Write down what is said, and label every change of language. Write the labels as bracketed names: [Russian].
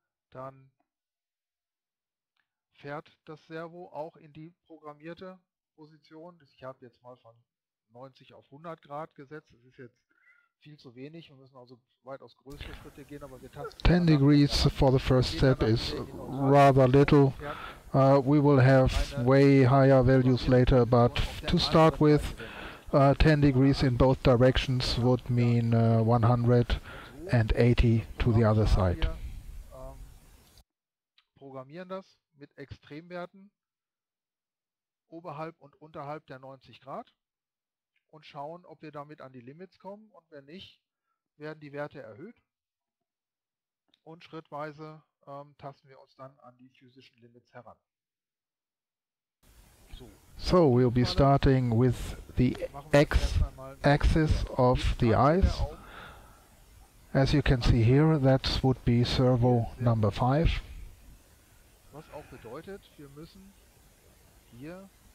[German] Dann fährt das Servo auch in die programmierte Position. Ich habe jetzt mal von 90 auf 100 Grad gesetzt. Das ist jetzt viel zu wenig. Wir müssen also weitaus größere Schritte gehen. Aber wir [English] 10 degrees for the first step is rather little. We will have way higher values later, but to start with, 10 degrees in both directions would mean 180 to the other side. [German] Programmieren das mit Extremwerten oberhalb und unterhalb der 90 Grad und schauen, ob wir damit an die Limits kommen, und wenn nicht, werden die Werte erhöht und schrittweise tasten wir uns dann an die physischen Limits heran. [English] So we'll be starting with the X axis of the eyes. As you can see here, that would be servo number 5. [German] Was auch bedeutet, wir müssen hier,